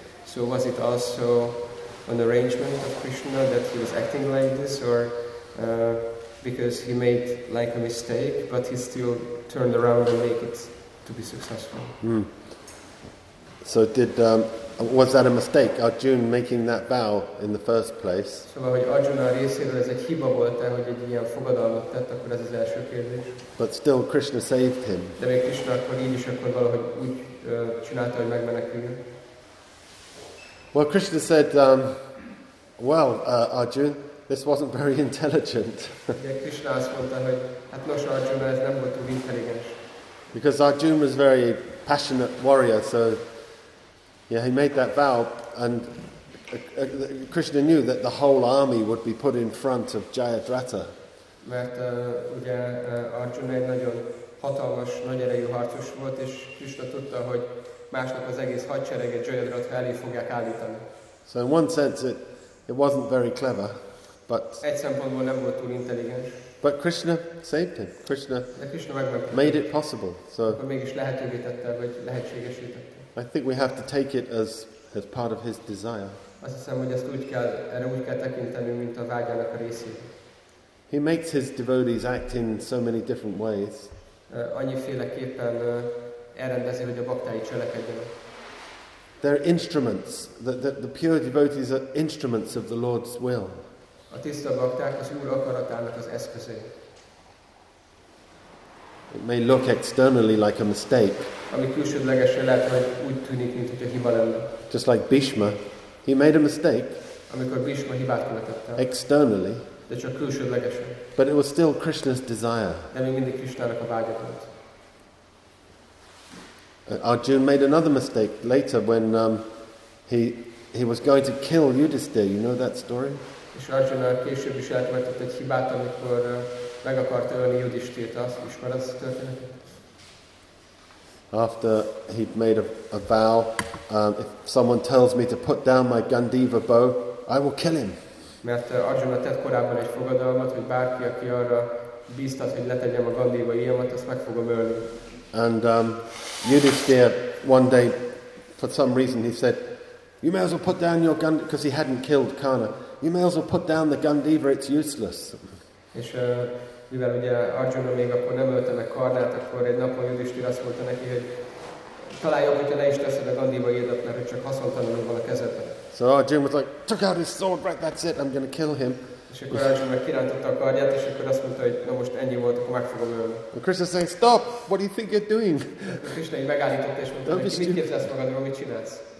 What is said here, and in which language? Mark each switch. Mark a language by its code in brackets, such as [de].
[en] So was it also an arrangement of Krishna that he was acting like this, or because he made like a mistake, but he still turned around and make it to be successful. Mm. So was that a mistake, Arjuna making that vow in the first place? [hu] So, hogy Arjuna részéről ez egy hiba volt-e, hogy egy ilyen fogadalmat tett, akkor ez az első kérdés. [en] But still Krishna saved him. [hu] De még Krishna akkor így is akkor valahogy úgy csinálta, hogy megmeneküljön. [en] Well, Krishna said, Arjuna, this wasn't very intelligent. [hu] Krishna azt mondta, hogy hát nos, Arjuna, ez nem volt túl intelligens. [en] Because Arjuna was a very passionate warrior, so yeah, he made that vow, and Krishna knew that the whole army would be put in front of Jayadratha. [hu] Mert ugye Arjuna egy nagyon hatalmas, nagy erejű harcos volt, és Krishna tudta, hogy másnap az egész hadsereget Jayadratha elé fogják állítani. [en] So in one sense, it wasn't very clever. But [hu] egy szempontból nem volt túl intelligens. [en] But Krishna saved him. Krishna, [hu] de Krishna megmentette. [en] Made it possible. So [hu] akkor mégis lehetővé tette, vagy lehetségesé tette. [en] I think we have to take it as part of his desire. [hu] Azt hiszem, hogy ezt úgy kell, erre úgy kell tekinteni, mint a vágyának a részét. [en] He makes his devotees act in so many different ways. [hu] Annyiféleképpen elrendezi, hogy a baktái cselekedjenek. [en] They're instruments. The pure devotees are instruments of the Lord's will. [hu] A tiszta bakták az Úr akaratának az eszközei. [en] It may look externally like a mistake. [hu] Ami külsődlegesen lehet, hogy úgy tűnik, mint hogy a hiba lenne. [en] Just like Bhishma, he made a mistake. [hu] Amikor Bhishma hibát követett el. [en] Externally. [hu] De csak külsődlegesen. [en] But it was still Krishna's desire. [hu] De még mindig Krishnának a vágya volt. [en] Arjuna made another mistake later when he was going to kill Yudhisthira. You know that story? [hu] És Arjuna később is elkövetett egy hibát, amikor meg akart ölni Yudhisthirát, azt ismer az történetet. [en] After he'd made a vow, if someone tells me to put down my Gandiva bow, I will kill him. [hu] Mert Arjuna tett korábban egy fogadalmat, hogy bárki, aki arra bíztat, hogy letegyem a Gandiva ilyemet, azt meg fogom ölni. [en] And Yudhisthira, one day, for some reason, he said, you may as well put down your Gandiva, because he hadn't killed Karna. You may as well put down the Gandiva, it's useless. [hu] És mivel ugye Arjuna még akkor nem ölte meg Karnát, akkor egy napon Yudhisthira azt mondta neki, hogy talán jobb, hogyha le is teszed a Gandiva ilyet, mert csak haszontanul van a kezedben. [en] So Arjuna was like, took out his sword, right, that's it, I'm going to kill him. [hu] És akkor Arjuna meg kirántotta a karját, és akkor azt mondta, hogy na most ennyi volt, akkor meg fogom ölni. [en] And Krishna saying, stop, what do you think you're doing? [hu] Krishna így megállította, és mondta, hogy mit képzelsz magadról, mit csinálsz?